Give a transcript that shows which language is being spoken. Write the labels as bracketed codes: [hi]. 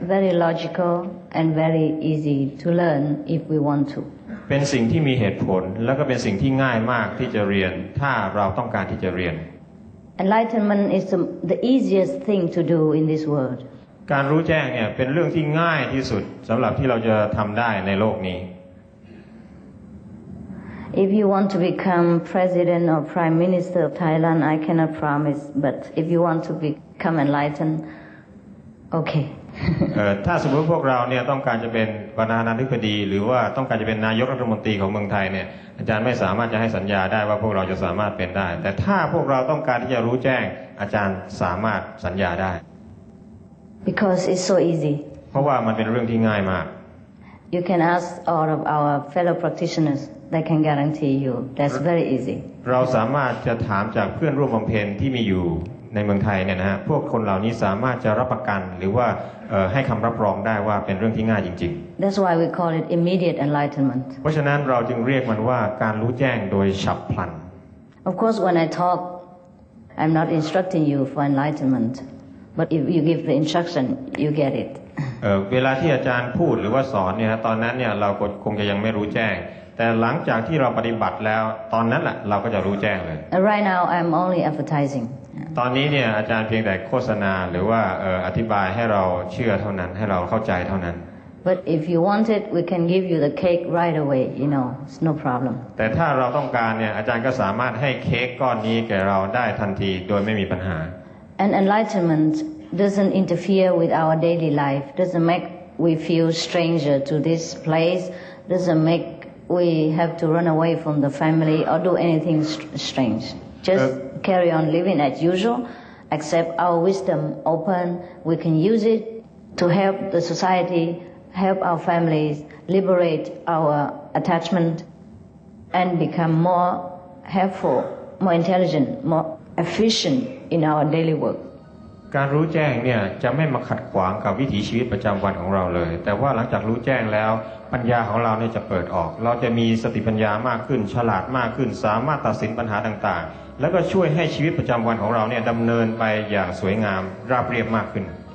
[en] Very logical and very easy to learn if we want to. [th] เป็นสิ่งที่มีเหตุผลแล้วก็เป็นสิ่งที่ง่ายมากที่จะเรียนถ้าเราต้องการที่จะเรียน [en] Enlightenment is the easiest thing to do in this world. [th] การรู้แจ้งเนี่ยเป็นเรื่องที่ง่ายที่สุดสำหรับที่เราจะทำได้ในโลกนี้ [en] If you want to become president or prime minister of Thailand, I cannot promise. But if you want to become enlightened, okay. [th] ถ้าสมมติพวกเราเนี่ยต้องการจะเป็นประธานาธิบดีหรือว่าต้องการจะเป็นนายกรัฐมนตรีของเมืองไทยเนี่ยอาจารย์ไม่สามารถจะให้สัญญาได้ว่าพวกเราจะสามารถเป็นได้แต่ถ้าพวกเราต้องการที่จะรู้แจ้งอาจารย์สามารถสัญญาได้ [en] Because it's so easy [th] เพราะว่ามันเป็นเรื่องที่ง่ายมาก [en] You can ask all of our fellow practitioners they can guarantee you that's very easy [th] เราสามารถจะถามจากเพื่อนร่วมบำเพ็ญที่มีอยู่ในเมืองไทยเนี่ยนะฮะพวกคนเหล่านี้สามารถจะรับประกันหรือว่าให้คำรับรองได้ว่าเป็นเรื่องที่ง่ายจริง [en] ๆ That's why we call it immediate enlightenment [th] เพราะฉะนั้นเราจึงเรียกมันว่าการรู้แจ้งโดยฉับพลัน [en] Of course when I talk I'm not instructing you for enlightenment but if you give the instruction you get it [th] เวลาที่อาจารย์พูดหรือว่าสอนเนี่ยตอนนั้นเนี่ยเราคงจะยังไม่รู้แจ้งแต่หลังจากที่เราปฏิบัติแล้วตอนนั้นแหละเราก็จะรู้แจ้งเลย [en] Right now I'm only advertising [th] ตอนนี้เนี่ยอาจารย์เพียงแต่โฆษณาหรือว่าอธิบายให้เราเชื่อเท่านั้นให้เราเข้าใจเท่านั้น [en] But if you want it we can give you the cake right away you know it's no problem [th] แต่ถ้าเราต้องการเนี่ยอาจารย์ก็สามารถให้เค้กก้อนนี้แก่เราได้ทันทีโดยไม่มีปัญหา [en] And enlightenment doesn't interfere with our daily life doesn't make we feel stranger to this place doesn't make we have to run away from the family or do anything strange justcarry on living as usual except our wisdom open we can use it to help the society help our families liberate our attachment and become more helpful more intelligent more efficient in our daily work [th] การรู้แจ้งเนี่ยจะไม่มาขัดขวางกับวิถีชีวิตประจําวันของเราเลยแต่ว่าหลังจากรู้แจ้งแล้วปัญญาของเราเนี่ยจะเปิดออกเราจะมีสติปัญญามากขึ้นฉลาดมากขึ้นสามารถตัดสินปัญหาต่างๆแล้วก็ช่วยให้ชีวิตประจำวันของเราเนี่ยดำเนินไปอย่างสวยงามราบเรียบมากขึ้น